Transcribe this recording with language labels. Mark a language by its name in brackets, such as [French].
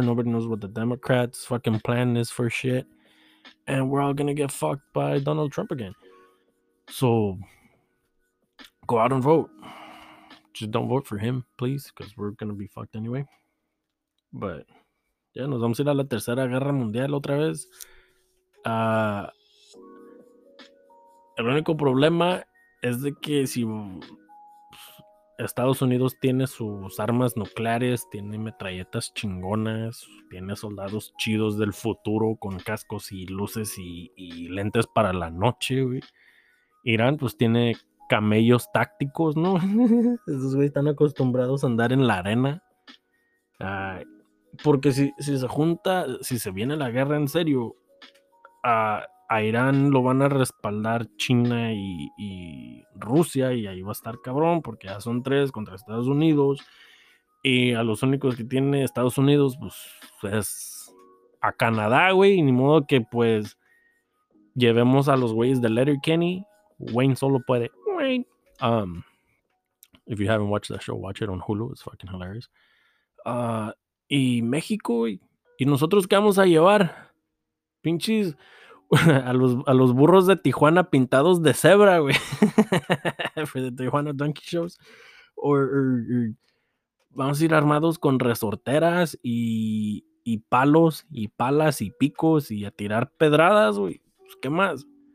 [English] Nobody knows what the Democrats' fucking plan is for shit. And we're all gonna get fucked by Donald Trump again. So go out and vote. Just don't vote for him, please, because we're gonna be fucked anyway. But yeah, [Spanish] nos vamos a ir a la tercera guerra mundial otra vez. El único problema es de que si Estados Unidos tiene sus armas nucleares, tiene metralletas chingonas, tiene soldados chidos del futuro con cascos y luces y lentes para la noche, güey. Irán pues tiene camellos tácticos, ¿no? Esos güeyes están acostumbrados a andar en la arena. Porque si se junta, si se viene la guerra en serio, a Irán lo van a respaldar China y Rusia, y ahí va a estar cabrón, porque ya son tres contra Estados Unidos, y a los únicos que tiene Estados Unidos, pues, es a Canadá, güey, y ni modo que, pues, llevemos a los güeyes de Letterkenny. Wayne solo puede. Wayne. [English] If you haven't watched that show, watch it on Hulu, it's fucking hilarious. [Spanish] Y México, y nosotros qué vamos a llevar, pinches, a los burros de Tijuana pintados de cebra, güey. [English] For the Tijuana Donkey Shows. Or [Spanish] vamos a ir armados con resorteras y palos y palas y picos y a tirar pedradas, güey. Pues, ¿qué más?